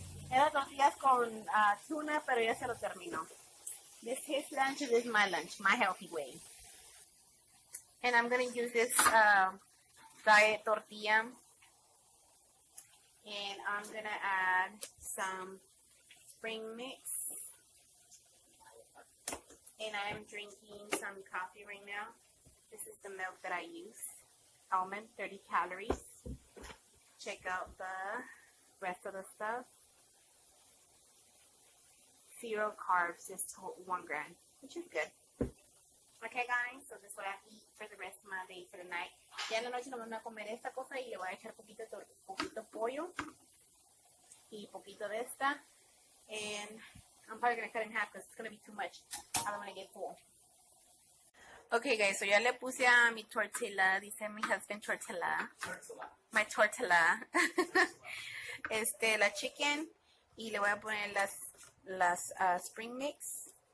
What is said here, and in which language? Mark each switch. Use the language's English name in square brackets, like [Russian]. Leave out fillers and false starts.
[Spanish] Era tortillas con tuna, pero ya se lo terminó. [English] This is his lunch, this is my lunch, my healthy way. And I'm going to use this diet tortilla. And I'm going to add some spring mix. And I'm drinking some coffee right now. This is the milk that I use. Almond, 30 calories. Check out the rest of the stuff. Zero carbs, just 1 gram, which is good. Okay, guys, so this is what I eat for the rest of my day, for the night. [Spanish] Ya en la noche no me voy a comer esta cosa y le voy a echar poquito pollo. y poquito de esta. [English] And I'm probably going to cut it in half because it's going to be too much. I don't want to get full. Okay, guys, so [Spanish] ya le puse a mi tortilla, dice mi husband tortilla. Tortilla. [English] My tortilla. [Spanish] Este, la chicken, y le voy a poner las spring mix.